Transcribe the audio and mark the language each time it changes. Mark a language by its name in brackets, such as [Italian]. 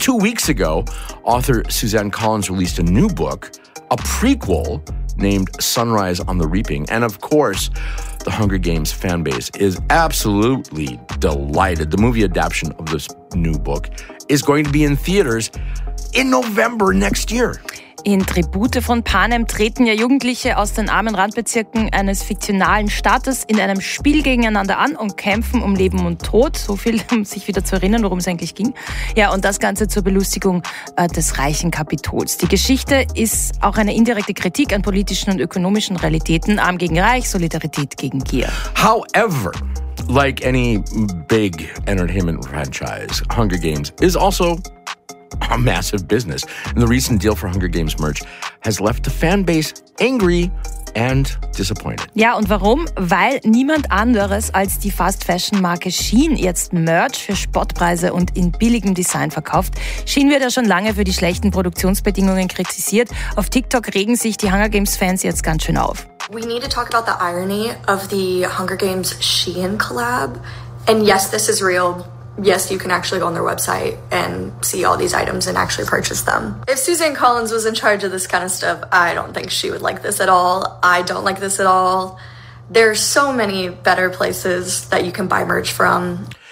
[English] 2 weeks ago, author Suzanne Collins released a new book, a prequel named Sunrise on the Reaping. And of course, the Hunger Games fan base is absolutely delighted. The movie adaptation of this new book is going to be in theaters in November next year. [German] In Tribute von Panem treten ja Jugendliche aus den armen Randbezirken eines fiktionalen Staates in einem Spiel gegeneinander an und kämpfen um Leben und Tod. So viel, um sich wieder zu erinnern, worum es eigentlich ging. Ja, und das Ganze zur Belustigung des reichen Kapitols. Die Geschichte ist auch eine indirekte Kritik an politischen und ökonomischen Realitäten. Arm gegen Reich, Solidarität gegen Gier. [English] However, like any big entertainment franchise, Hunger Games is also a massive business. And the recent deal for Hunger Games merch has left the fan base angry and disappointed. [German] Ja, und warum? Weil niemand anderes als die Fast-Fashion-Marke Shein jetzt Merch für Spottpreise und in billigem Design verkauft. Shein wird ja schon lange für die schlechten Produktionsbedingungen kritisiert. Auf TikTok regen sich die Hunger Games-Fans jetzt ganz schön auf. [English] We need to talk about the irony of the Hunger Games Shein collab. And yes, this is real. Yes, you can actually go on their website and see all these items and actually purchase them. If Suzanne Collins was in charge of this kind of stuff, I don't think she would like this at all. I don't like this at all. There are so many better places that you can buy merch from.